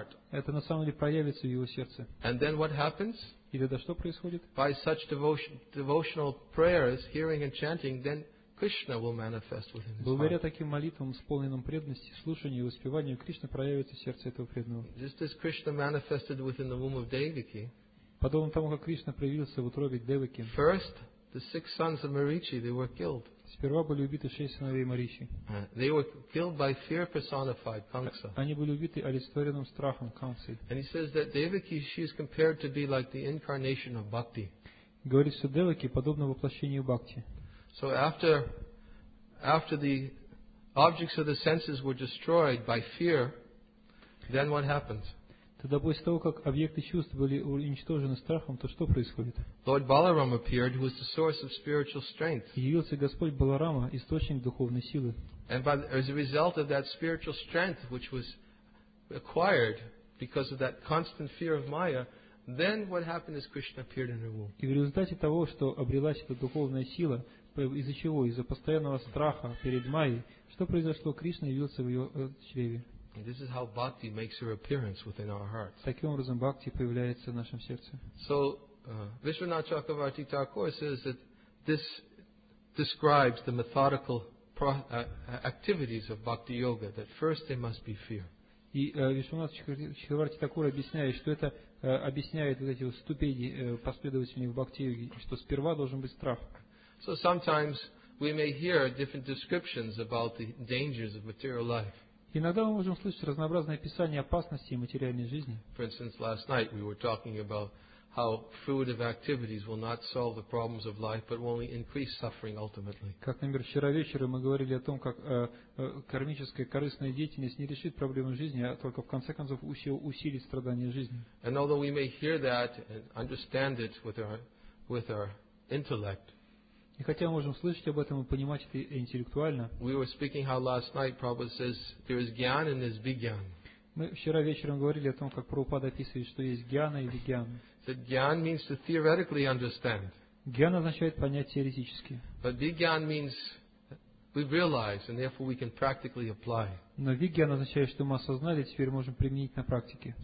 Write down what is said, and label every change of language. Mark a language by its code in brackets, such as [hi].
[ru] Это на самом деле проявится в его сердце. [en] And then what happens? [ru] И тогда что происходит? [en] By such devotional prayers, hearing and chanting, then Krishna will manifest within his heart. [ru] Благодаря таким молитвам, исполненным преданности, слушанию и воспеванию, Кришна проявится в сердце этого преданного. [en] Just as Krishna manifested within the womb of Devaki. [ru] Подобно тому, как Кришна проявился в утробе Девики. [en] First, the six sons of Marichi, they were killed. [ru] Сперва были убиты шесть сыновей Мариши. [en] They were killed by fear personified Kamsa. [ru] Они были убиты олицетворенным страхом Камсы. [en] And he says that Devaki, she is compared to be like the incarnation of bhakti. [ru] Говорит, что Деваки подобно воплощению бхакти. [en] So after the objects of the senses were destroyed by fear, then what happens? [ru] Тогда после того, как объекты чувств были уничтожены страхом, то что происходит? [en] Lord Balaram appeared, who is the source of spiritual strength. [ru] Явился Господь Баларама, источник духовной силы. [en] And by, as a result of that spiritual strength, which was acquired because of that constant fear of Maya, then what happened is Krishna appeared in her womb. [ru] И в результате того, что обрелась эта духовная сила, из-за чего? Из-за постоянного страха перед Майей, что произошло? Кришна явился в ее чреве. [en] And this is how bhakti makes her appearance within our hearts. [ru] Таким образом, бхакти появляется в нашем сердце. [en] So, Vishwanath Chakravarti Thakur says that this describes the methodical activities of bhakti yoga, that first there must be fear. [ru] И Вишванатх Чакраварти Такур объясняет, что это объясняет вот эти вот ступени последовательные в бхакти йоге, что сперва должен быть страх. [en] So sometimes we may hear different descriptions about the dangers of material life. [ru] Иногда мы можем слышать разнообразные описания опасностей материальной жизни. [en] For instance, last night we were talking about how fruitive activities will not solve the problems of life, but will only increase suffering ultimately. [ru] Как, например, вчера вечером мы говорили о том, как кармическая корыстная деятельность не решит проблемы жизни, а только в конце концов усилит страдания жизни. [en] And although we may hear that and understand it with our intellect, [ru] и хотя мы можем слышать об этом и понимать это интеллектуально. [en] We were speaking how last night Prabhupada says there is gyan and there is vigyan. [ru] Мы вчера вечером говорили о том, как Прабхупада описывает, что есть гьяна и вигьяна. [en] That gyan means to theoretically understand. [ru] Гьян означает понять теоретически. [en] But vigyan means we realize and therefore we can practically apply. [ru] Но вигьян означает, что мы осознали, теперь можем применить на практике.